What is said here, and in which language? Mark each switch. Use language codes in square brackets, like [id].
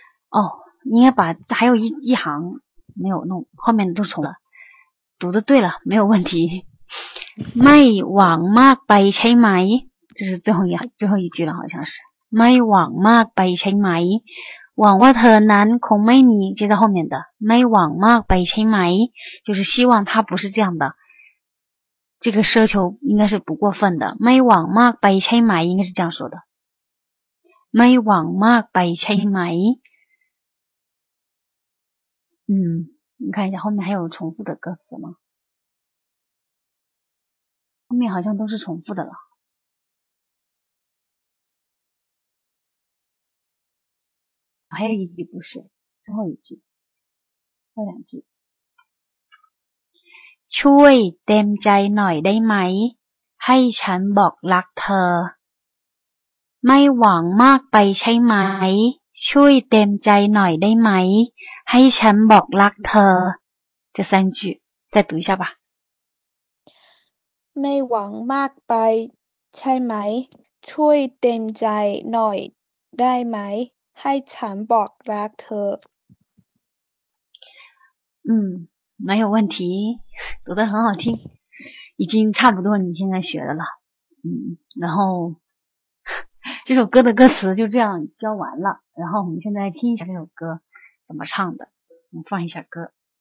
[zh] 哦，应该把还有一行没有弄，后面都重了，读的对了，没有问题。 [th] ไม่หวังมากไปใช่ไหม？ [zh] 这是最后一句了，好像是。 [th] ไม่หวังมากไปใช่ไหม？ หวังว่าเธอนั้นคงไม่มี， [zh] 接在后面的。 [th] ไม่หวังมากไปใช่ไหม？ [zh] 就是希望他不是这样的，这个奢求应该是不过分的。 [th] ไม่หวังมากไปใช่ไหม？ [zh] 应该是这样说的。 [th] ไม่หวังมากไปใช่ไหม？ [zh] 你看一下后面还有重复的歌词吗？后面好像都是重复的了。还有一句不是，最后一句，还有两句。 [th] ช่วยเต็มใจหน่อยได้ไหม？ ให้ฉันบอกรักเธอ。ไม่หวังมากไปใช่ไหม？ ช่วยเต็มใจหน่อยได้ไหมให้ฉันบอกรักเธอ [zh] 这三句再读一下吧 [th] ไม่หวังมากไปใช่ไหมช่วยเต็มใจหน่อยได้ไหมให้ฉันบอกรักเธ อ [zh] 没有问题读得很好听已经差不多你现在学的了然后这首歌的歌词就这样教完了，然后我们现在听一下这首歌怎么唱的，我们放一下歌。